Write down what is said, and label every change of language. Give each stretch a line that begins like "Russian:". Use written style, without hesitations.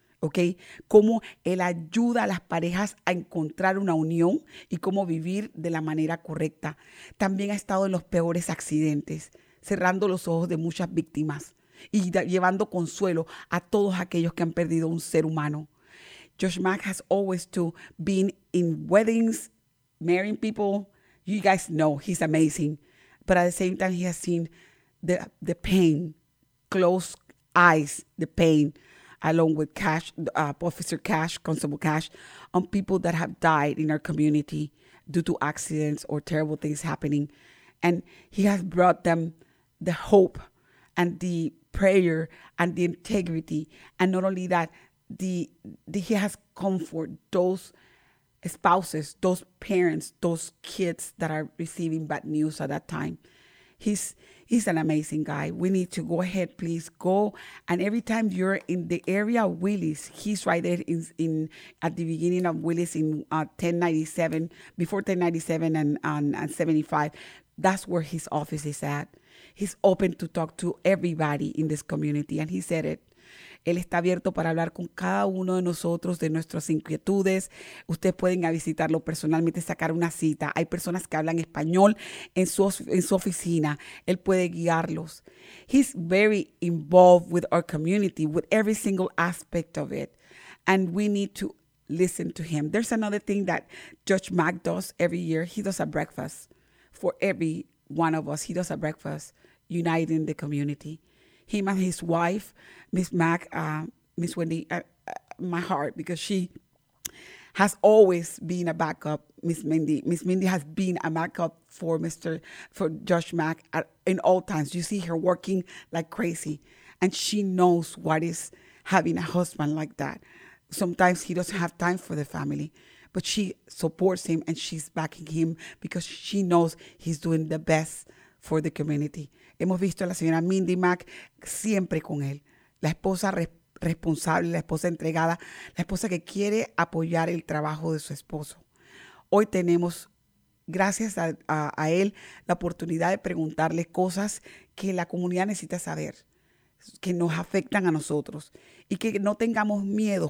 Spanish: Okay, cómo él ayuda a las parejas a encontrar una unión y cómo vivir de la manera correcta. También ha estado en los peores accidentes, cerrando los ojos de muchas víctimas y llevando consuelo a todos aquellos que han perdido un ser humano.
English: Judge Mack has always too been in weddings, marrying people. You guys know he's amazing, but at the same time he has seen the pain, close eyes, the pain, along with Cash, Officer Cash, Constable Cash, on people that have died in our community due to accidents or terrible things happening. And he has brought them the hope and the prayer and the integrity. And not only that, he has comforted those spouses, those parents, those kids that are receiving bad news at that time. He's an amazing guy. We need to go ahead, please go. And every time you're in the area of Willis, he's right there in at the beginning of Willis in 1097, before 1097 and 75. That's where his office is at. He's open to talk to everybody in this community. And he said it.
Spanish: Él está abierto para hablar con cada uno de nosotros de nuestras inquietudes. Ustedes pueden ir a visitarlo personalmente, sacar una cita. Hay personas que hablan español en su oficina. Él puede guiarlos.
English: He's very involved with our community, with every single aspect of it. And we need to listen to him. There's another thing that Judge Mack does every year. He does a breakfast for every one of us. He does a breakfast uniting the community. Him and his wife, Miss Mack, Miss Wendy, my heart, because she has always been a backup, Miss Mindy. Miss Mindy has been a backup for Judge Mack in all times. You see her working like crazy, and she knows what is having a husband like that. Sometimes he doesn't have time for the family, but she supports him and she's backing him because she knows he's doing the best for the community.
Spanish: Hemos visto a la señora Mindy Mack siempre con él. La esposa responsable, la esposa entregada, la esposa que quiere apoyar el trabajo de su esposo. Hoy tenemos, gracias a él, la oportunidad de preguntarle cosas que la comunidad necesita saber, que nos afectan a nosotros y que no tengamos miedo.